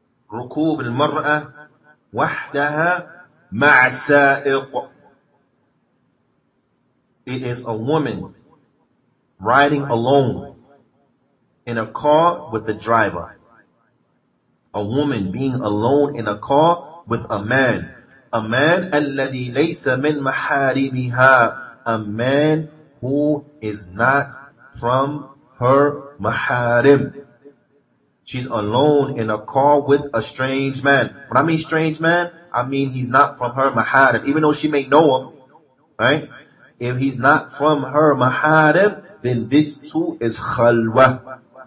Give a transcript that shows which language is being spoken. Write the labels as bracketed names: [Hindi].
[Arabic] Rukub al-mar'a wahdaha ma'a sa'iq. [English] It is a woman riding alone in a car with the driver. A woman being alone in a car with a man. A man [Arabic] الذي ليس من محارمها. [English] A man who is not from her maharim. She's alone in a car with a strange man. When I mean strange man, I mean he's not from her maharim. Even though she may know him, right? If he's not from her maharim, then this too is khalwa.